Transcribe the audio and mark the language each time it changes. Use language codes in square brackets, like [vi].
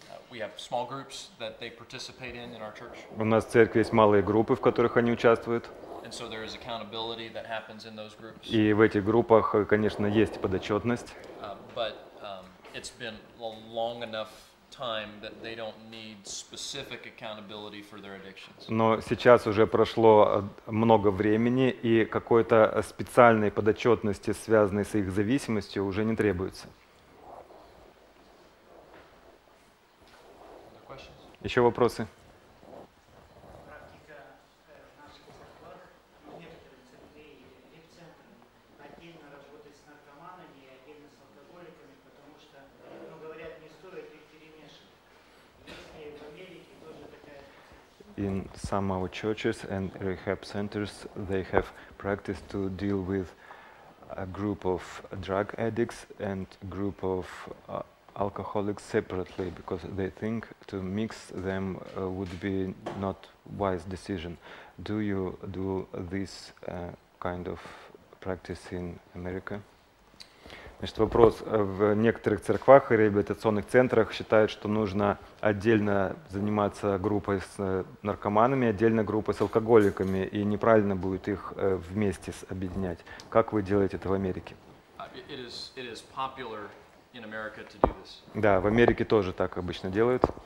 [en] We have small groups that they participate in our church. [ru] У нас в церкви есть малые группы, в которых они участвуют. [en] And so there is accountability that happens in those groups. [ru] И в этих группах, конечно, есть подотчетность. [en] But it's been a long enough time that they don't need specific accountability for their addictions. [ru] Но сейчас уже прошло много времени, и какой-то специальной подотчетности, связанной с их зависимостью, уже не требуется. Еще вопросы? Практика в наших церквах, в некоторых церквей или в центрах, отдельно работать с наркоманами и отдельно с алкоголиками, потому что, ну, говорят, не стоит их перемешивать. Есть и в Америке тоже такая... [en] In some of our churches and rehab centers, they have practiced to deal with a group of drug addicts and group of alcoholics separately, because they think to mix them would be not wise decision. Do you do this kind of practice in America? [ru] Значит, вопрос. В некоторых церквах и реабилитационных центрах считают, что нужно отдельно заниматься группой с наркоманами, отдельно группой с алкоголиками, и неправильно будет их вместе объединять. Как вы делаете это в Америке? [en] It is popular in America to do this. [ru] Да, в Америке тоже так обычно делают.